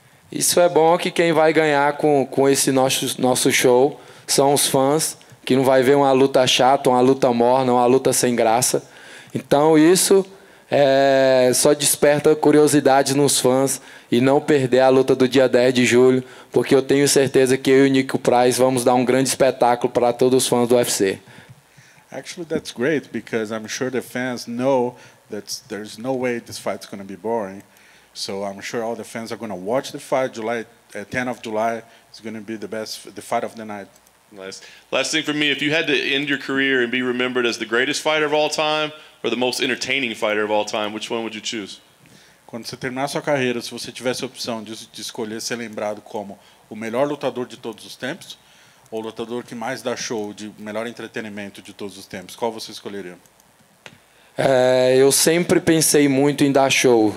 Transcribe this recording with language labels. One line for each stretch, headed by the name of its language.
Portuguese: Isso é bom, que quem vai ganhar com esse nosso show são os fãs, que não vai ver uma luta chata, uma luta morna, uma luta sem graça. Então isso só desperta curiosidade nos fãs e não perder a luta do dia 10 de julho, porque eu tenho certeza que eu e o Nico Price vamos dar um grande espetáculo para todos os fãs do UFC.
English: Actually, that's great, because I'm sure the fans know that there's no way this fight's going to be boring. So I'm sure all the fans are going to watch the fight. July 10th is going to be the fight of the night. Last thing for me, if you had to end your career and be remembered as the greatest fighter of all time or the most entertaining fighter of all time, which one would you choose?
Portuguese: Quando você terminar sua carreira, se você tivesse a opção de escolher ser lembrado como o melhor lutador de todos os tempos ou lutador que mais dá show, de melhor entretenimento de todos os tempos, qual você escolheria? Eu sempre pensei muito em dar show.